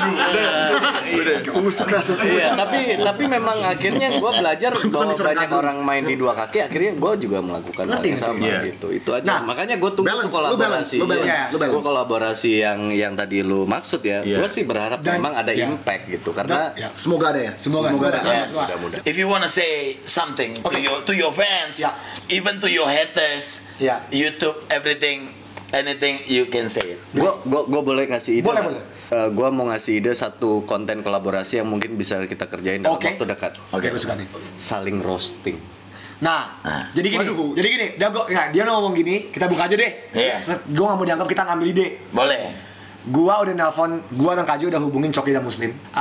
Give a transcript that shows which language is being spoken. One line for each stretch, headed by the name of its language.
Indonesian: itu udah tapi memang akhirnya gue belajar bahwa banyak orang main di dua kaki, akhirnya gue juga melakukan hal yang sama gitu. Itu aja. Nah, makanya gue tunggu
English: balance,
Indonesian: kolaborasi
English: balance.
Indonesian: Gue kolaborasi yang tadi lu maksud ya. Gue sih berharap dan memang ada impact gitu karena semoga ada ya, semoga ada.
English: Mudah-mudahan if you wanna say something to your fans, even to your haters, YouTube, everything, anything you can say.
Indonesian: Gua boleh ngasih ide. Boleh. Gua mau ngasih ide satu konten kolaborasi yang mungkin bisa kita kerjain dalam waktu dekat. Oke, gua suka nih. Saling roasting. Nah, jadi gini. Waduh. Jadi gini, dia gua ya, dia ngomong gini, kita buka aja deh. Iya. Gua enggak mau dianggap kita ngambil ide. Boleh. Gua udah nelpon, gua dan Kaju udah hubungin Coki dan Muslim.